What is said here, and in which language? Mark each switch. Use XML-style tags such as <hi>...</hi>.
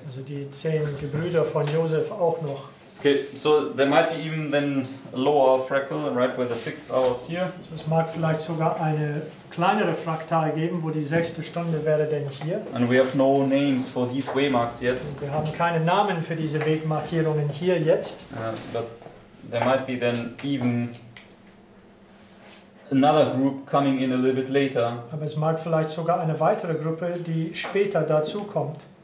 <de>Also die zehn Gebrüder von Josef auch noch.</de> <en>Okay, so there might be even then a lower fractal, right, where the sixth hour is here.</en> <de>So es mag vielleicht sogar eine kleinere Fraktal geben, wo die sechste Stunde wäre denn hier.</de> <en>And we have no names for these waymarks yet.</en> <de>Und wir haben keine Namen für diese Wegmarkierungen hier jetzt.</de> <en>But there might be then even another group coming in a little bit later.</en> <de>Aber es mag vielleicht sogar eine weitere Gruppe, die später dazu kommt.</de>